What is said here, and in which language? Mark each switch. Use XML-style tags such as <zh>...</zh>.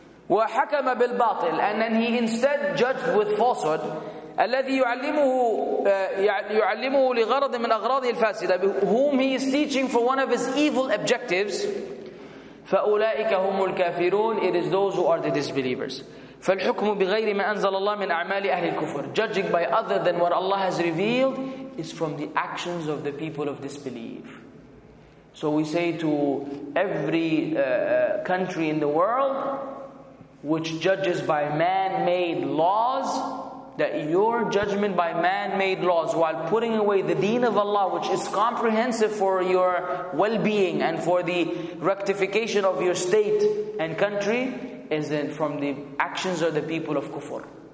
<ar>وَحَكَمَ بِالْبَاطِلِ.</ar> <en>And then he instead judged with falsehood.</en> <ar>الذي يعلمه يعلمه لغرض من أغراضه الفاسدة,</ar> <en>whom he is teaching for one of his evil objectives.</en> <ar>فأولئك هم الكافرون.</ar> <en>It is those who are the disbelievers.</en> <ar>فالحكم بغير ما أنزل الله من أعمال أهل الكفر.</ar> <en>Judging by other than what Allah has revealed is from the actions of the people of disbelief. So we say to every country in the world which judges by man-made laws, that your judgment by man-made laws while putting away the deen of Allah, which is comprehensive for your well-being and for the rectification of your state and country, is then from the actions of the people of kufr.</en>